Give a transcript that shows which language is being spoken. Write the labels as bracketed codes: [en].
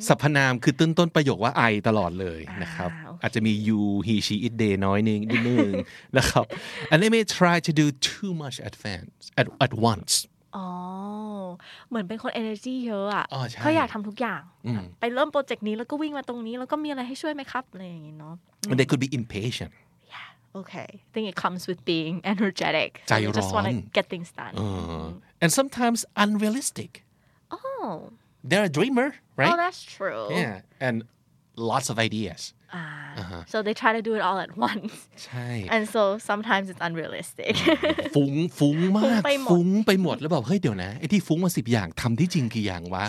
[th] สรรพนามคือต้นประโยคว่าไอตลอดเลยนะครับอาจจะมี you he she it they น้อยนึงนิดนึงนะครับ [en] and they may try to do too much at once [th] อ๋อ หมือนเป็นคน energy เยอะอ่ะเขาอยากทำทุกอย่างไปเริ่มโปรเจกต์นี้แล้วก็วิ่งมาตรงนี้แล้วก็มีอะไรให้ช่วยไหมครับอะไรอย่างงี้เนาะ [en] they could be impatient Okay, I think it comes with being energetic. I just want to get things done. And sometimes unrealistic. Oh. They're a dreamer, right? Oh, that's true. Yeah, and lots of ideas. So they try to do it all at once. Right. And so sometimes it's unrealistic. [th] Fung มาก fung ไปหมดแล้วแบบเฮ้ยเดี๋ยวนะไอ้ที่ fung มา 10 อย่างทำที่จริงกี่อย่างวะ